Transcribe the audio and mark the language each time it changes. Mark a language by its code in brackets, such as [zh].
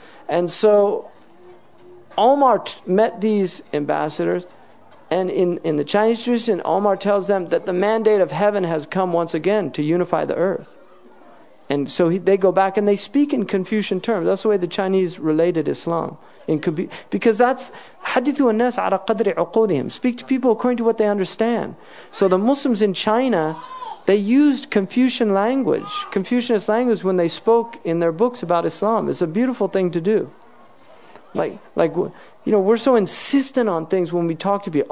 [en] And so Omar met these ambassadors, and in the Chinese tradition, Omar tells them that the mandate of heaven has come once again to unify the earth. And so they go back and they speak in Confucian terms. That's the way the Chinese related Islam. Because that's [ar] حَدِثُوا النَّاسَ عَلَى قَدْرِ عُقُودِهِمْ. [en] Speak to people according to what they understand. So the Muslims in China, they used Confucian language, Confucianist language, when they spoke in their books about Islam. It's a beautiful thing to do. Like, you know, we're so insistent on things when we talk to people.